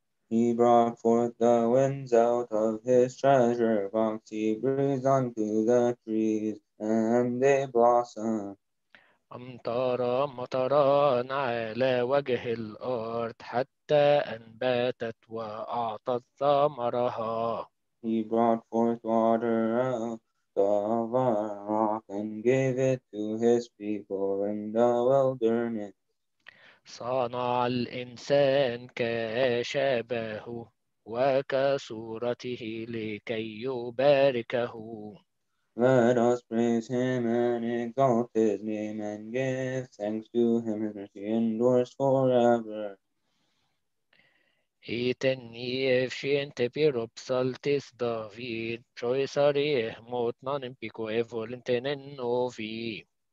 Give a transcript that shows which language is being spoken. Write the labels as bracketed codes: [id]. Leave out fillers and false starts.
[en] He brought forth the winds out of his treasure box. He breathed unto the trees and they blossomed. [ar] أمطار مطران على وجه الأرض حتى أنباتت وأعطت ثمرها. [en] He brought forth water out of a rock and gave it to his people in the wilderness. [ar] صنع الإنسان كشبهه وكصورته لكي يباركه. [en] Let us praise him and exalt his name and give thanks to him, his mercy endures forever. Etenni efshente pirop saltis David, choisari mot non impico e volenten en novi.